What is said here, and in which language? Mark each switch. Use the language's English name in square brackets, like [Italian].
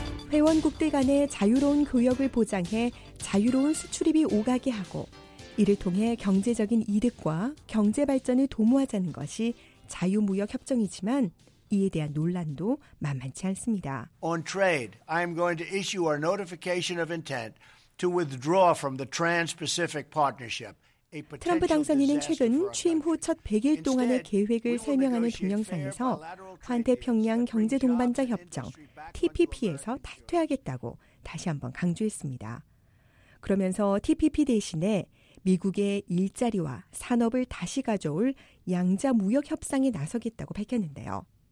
[Korean] 회원국들 간의 자유로운 교역을 보장해 자유로운 수출입이 오가게 하고 이를 통해 경제적인 이득과 경제발전을 도모하자는 것이 자유무역협정이지만 이에 대한 논란도 만만치 않습니다. [English] On trade, I am going to issue our notification of intent to withdraw from the Trans-Pacific Partnership. [Korean] 트럼프 당선인은 최근 취임 후 첫 100일 동안의 계획을 설명하는 동영상에서 환태평양 경제동반자 협정 TPP에서 탈퇴하겠다고 다시 한번 강조했습니다. 그러면서 TPP 대신에 미국의 일자리와 산업을 다시 가져올 양자무역협상에 나서겠다고 밝혔는데요.